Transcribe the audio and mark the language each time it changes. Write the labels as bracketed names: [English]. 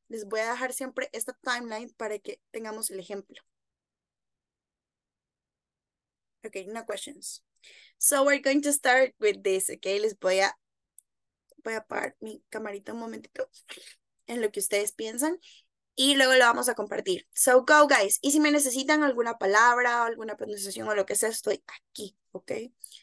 [Spanish] Les voy a dejar siempre esta timeline para que tengamos el ejemplo. [English] Okay, no questions. So we're going to start with this, okay? [Spanish] Les voy a apagar mi camarita un momentito en lo que ustedes piensan y luego lo vamos a compartir. [English] So go, guys. [Spanish] Y si me necesitan alguna palabra, alguna pronunciación o lo que sea, estoy aquí, okay?